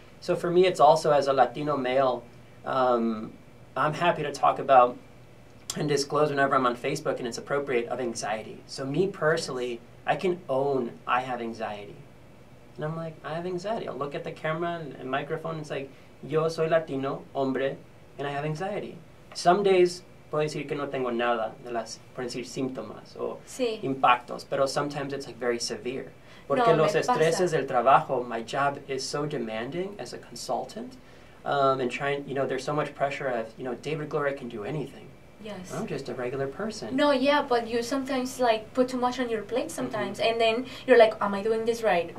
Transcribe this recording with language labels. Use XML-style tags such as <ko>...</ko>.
<en>So for me, it's also as a Latino male, I'm happy to talk about and disclose whenever I'm on Facebook and it's appropriate of anxiety. So me personally, I can own I have anxiety. And I'm like, I have anxiety. I'll look at the camera and microphone and it's like,</en> <es>yo soy Latino, hombre,</es> <en>and I have anxiety. Some days,</en> <es>puedo decir que no tengo nada de las, por decir, síntomas o sí. impactos, pero</es> <en>sometimes it's like very severe.</en> <es>Porque no, los estreses pasa. Del trabajo,</es> <en>my job is so demanding as a consultant, and trying, you know, there's so much pressure of, you know, David Gloria can do anything. Yes. I'm just a regular person. No, yeah, but you sometimes, like, put too much on your plate sometimes, mm-hmm. and then you're like, am I doing this right?</en>